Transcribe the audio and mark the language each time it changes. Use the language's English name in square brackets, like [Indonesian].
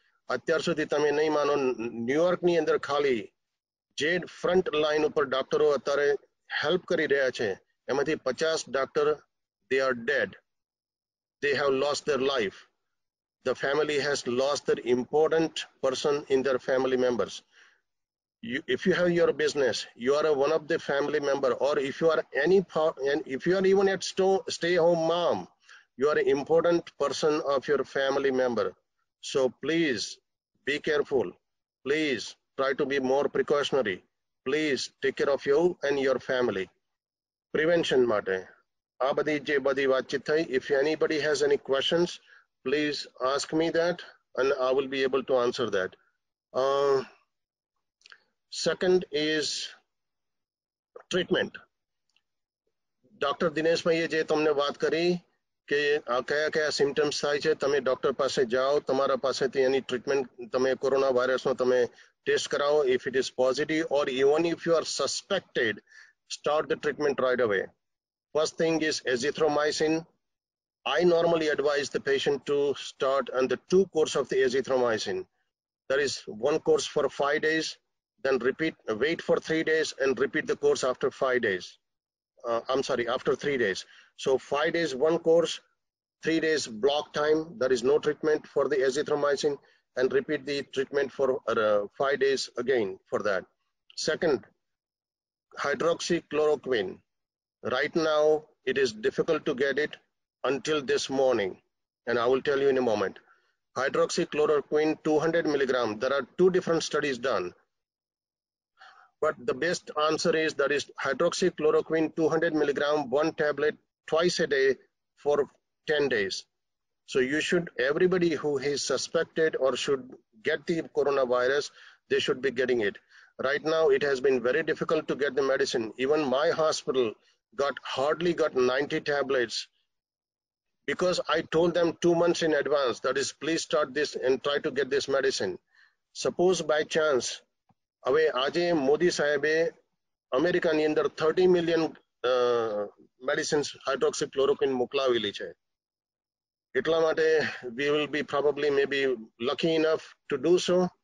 [Gujarati] અત્યાર સુધી તમે નહીં માનો, ન્યુયોર્કની અંદર ખાલી જે ફ્રન્ટ લાઈન ઉપર ડોક્ટરો અત્યારે હેલ્પ કરી રહ્યા છે, એમાંથી 50 doctor [English] They are dead, they have lost their life, the family has lost their important person in their family members. If you have your business, you are one of the family member, or if you are any if you are even at stay home mom, you are an important person of your family member. So please be careful. Please try to be more precautionary. Please take care of you and your family. Prevention [Gujarati] mate aa badi je badi vaat chit thai. [English] If anybody has any questions, please ask me that and I will be able to answer that. Second is treatment. Dr. [Gujarati] Dinesh bhai je tumne vaat kari કે આ કયા કયા symptoms થાય છે, તમે doctor પાસે જાઓ, તમારા પાસેથી એની ટ્રીટમેન્ટ, તમે કોરોના વાયરસનો તમે ટેસ્ટ કરાવો, [English] If it is positive or even if you are suspected, start the treatment right away. First thing is azithromycin. I normally advise the patient to start on the two course of the azithromycin. There is one course for 5 days, then repeat, wait for 3 days and repeat the course after 5 days. I'm sorry, after 3 days. So 5 days one course, 3 days block time, there is no treatment for the azithromycin, and repeat the treatment for 5 days again for that. Second, hydroxychloroquine. Right now it is difficult to get it until this morning, and I will tell you in a moment. Hydroxychloroquine 200 milligram, there are two different studies done. But the best answer is that is hydroxychloroquine 200 milligram, one tablet twice a day for 10 days. So you should, everybody who is suspected or should get the coronavirus, they should be getting it. Right now, it has been very difficult to get the medicine. Even my hospital hardly got 90 tablets because I told them 2 months in advance, that is, please start this and try to get this medicine. Suppose by chance, [Gujarati] હવે આજે મોદી સાહેબે અમેરિકાની અંદર 30 million medicines હાઇડ્રોક્સીક્લોરોક્વિન મોકલાવેલી છે, એટલા માટે [English] We will be probably may be lucky enough to do so.